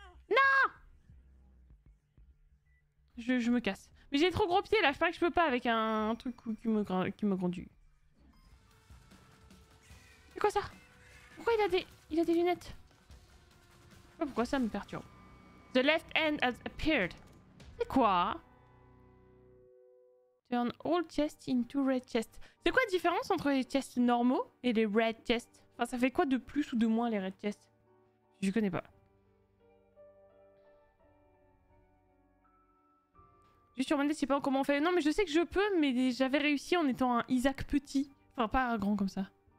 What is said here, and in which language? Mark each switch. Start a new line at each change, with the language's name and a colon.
French: Non! Je me casse. Mais j'ai trop gros pieds là, je crois que je peux pas avec un truc qui me conduit. Quoi ça? Pourquoi il a des lunettes? Pourquoi ça me perturbe?
English: The left hand has appeared.
French: C'est quoi?
English: Turn all chests into red chests.
French: C'est quoi la différence entre les chests normaux et les red chests? Enfin, ça fait quoi de plus ou de moins les red chests? Je connais pas. Je suis demandé si pas comment on fait. Non, mais je sais que je peux, mais j'avais réussi en étant un Isaac petit. Enfin, pas un grand comme ça.